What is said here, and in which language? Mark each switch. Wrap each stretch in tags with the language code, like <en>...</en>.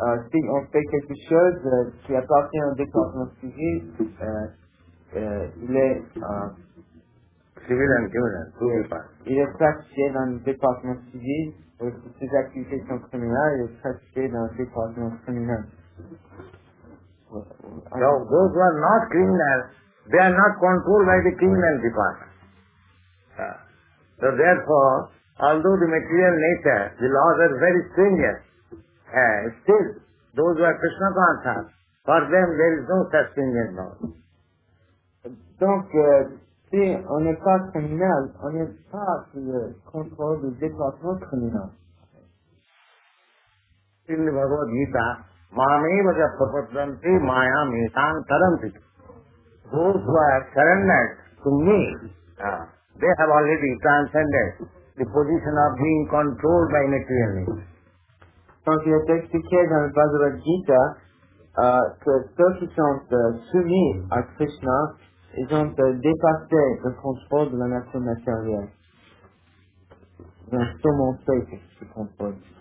<fr>Si on fait quelque chose qui appartient au département civil, il est classifié dans le département civil. Ces activités sont criminelles, et pratiquées dans le département criminel.</fr> <en>So, those who are not criminals, they are not controlled by the criminal department. So therefore, although the material nature, the laws are very stringent, still, those who are Krishna conscious, for them there is no such stringent law.</en> <fr>Donc, si on n'est pas criminel, on n'est pas sous le contrôle du département criminel.</fr> <en>In the Bhagavad Gita,</en> <sa>Mameva ja prapatranti maya metan taranti.</sa> <en>Those who are surrendered to me, they have already transcended the position of being controlled by material nature.</en> <fr>Donc il est expliqué dans le Bhagavad Gita que ceux qui sont soumis à Krishna, ils ont dépassé le contrôle de la nature matérielle. Ils ont surmonté ce contrôle.</fr>